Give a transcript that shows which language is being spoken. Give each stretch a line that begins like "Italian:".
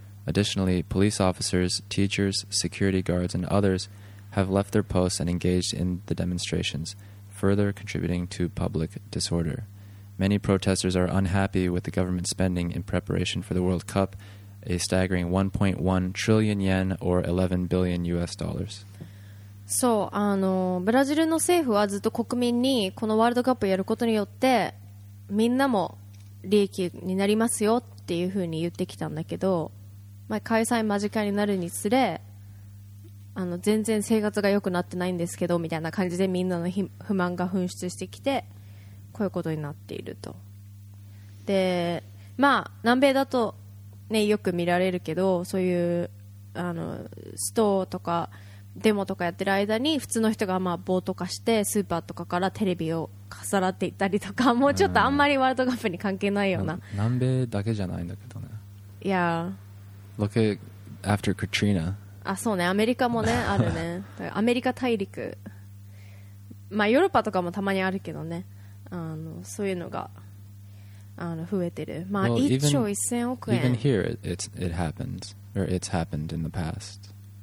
English: Additionally, police officers, teachers, security guards, and others have left their posts and engaged in the demonstrations, further contributing to public disorder. Many protesters are unhappy with the government spending in preparation for the World Cup, a staggering 1.1 trillion yen or 11 billion US dollars.
Japanese: そう、ブラジルの政府はずっと国民にこのワールドカップをやることによってみんなも利益になりますよっていうふうに言ってきたんだけど、まあ、開催間近になるにつれ全然生活が良くなってないんですけどみたいな感じでみんなの不満が噴出してきてこういうことになっていると。で、まあ南米だとねよく見られるけど、そういうストーとかデモとかやってる間に普通の人がまあ暴徒化してスーパーとかからテレビをかさらっていったりとか、もうちょっとあんまりワールドカップに関係ないような、南米だけじゃないんだけどね。いや、
English: Look at after Katrina。
Japanese: あ、そうね、アメリカもねあるね。アメリカ大陸、まあヨーロッパとかもたまにあるけどね、そういうのが増えてる。まあ1兆1000億円。
English: Even here it happens or it's happened in the past。